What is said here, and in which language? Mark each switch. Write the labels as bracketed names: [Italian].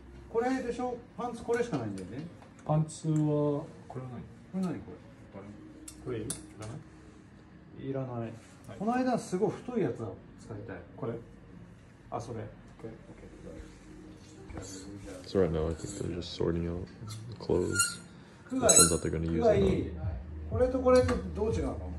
[Japanese] これでしょ、パンツこれしかないんだよね。パンツはこれはない。これ何これ？これいらない？いらない。はい、この間すごい太いやつを使いたい。これ？あ、それ。 [English] So right now, I think they're just sorting out the clothes. The ones that they're going to use. Or [Japanese] これとこれとどう違うの？